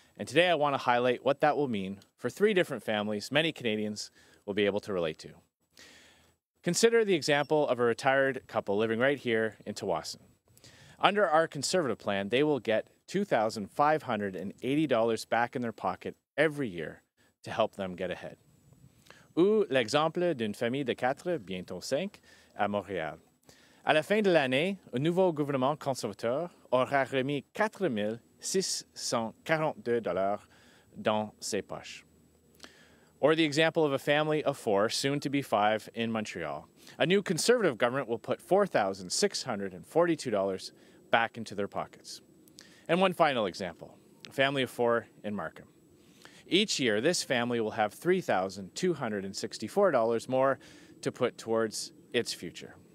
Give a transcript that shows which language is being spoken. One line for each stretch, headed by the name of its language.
English: And today I want to highlight what that will mean for three different families many Canadians will be able to relate to. Consider the example of a retired couple living right here in Tawasin. Under our conservative plan, they will get $2,580 back in their pocket every year to help them get ahead.
French: Ou l'exemple d'une famille de quatre, bientôt cinq, à Montréal. À la fin de l'année, un nouveau gouvernement conservateur aura remis $4,642 dans ses poches.
English: Or the example of a family of four, soon to be five, in Montreal. A new conservative government will put $4,642 back into their pockets. And one final example, a family of four in Markham. Each year, this family will have $3,264 more to put towards its future.